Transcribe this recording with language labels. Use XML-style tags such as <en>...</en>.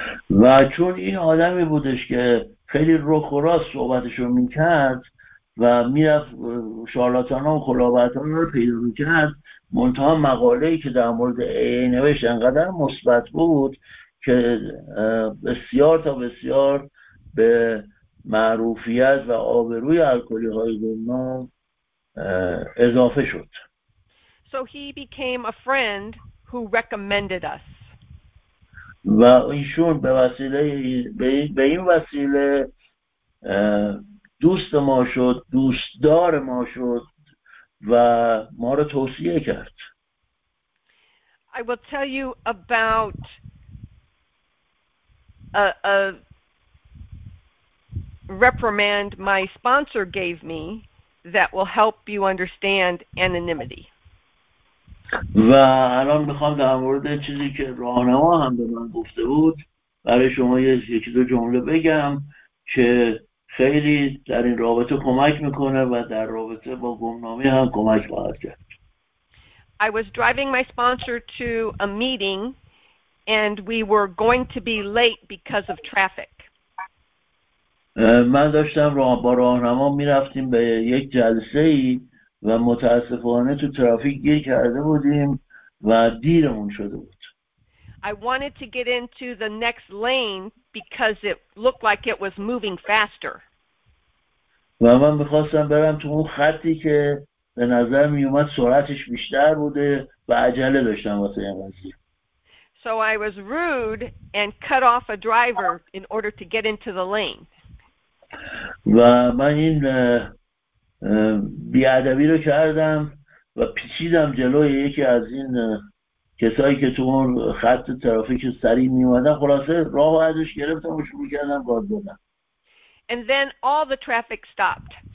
<fa>و چون این آدمی بودش که خیلی روخ و راست صحبتش رو میکرد و میرفت شارلاتان ها و کلاهبرداران رو پیدا میکرد، منتها مقاله‌ای که در مورد AA نوشت انقدر مثبت بود که بسیار تا بسیار به معروفیت و آبروی الکلی های گمنام اضافه شد.</fa> <en>So he became a friend who recommended us.</en> <fa>و ایشون به وسیله به این وسیله دوست ما شد، دوستدار ما شد و ما را توصیه کرد.</fa> <en>I will tell you about a reprimand my sponsor gave me that will help you understand anonymity.</en> <fa>و الان میخوام در مورد چیزی که راهنما هم به من گفته بود برای شما یکی دو جمله بگم که خیلی در این رابطه کمک میکنه و در رابطه با گمنامی هم کمک خواهد کرد.</fa> <en>I was driving my sponsor to a meeting and we were going to be late because of traffic.</en> <fa>من داشتم با راهنما میرفتیم به یک جلسه ای و متاسفانه تو ترافیک گیر کرده بودیم و دیرمون شده بود.</fa> <en>I wanted to get into the next lane because it looked like it was moving faster.</en> <fa>و من می‌خواستم برم تو اون خطی که به نظر میومد سرعتش بیشتر بوده و عجله داشتم واسه این قضیه.</fa> <en>So I was rude and cut off a driver in order to get into the lane.</en> <fa>و من این بیادبی رو کردم و پیچیدم جلوی یکی از این کسایی که تو اون خط ترافیک سریع می اومدن. خلاصه راه ازش گرفتم و شروع کردم گاز دادن.</fa> <en>And then all the traffic stopped.</en>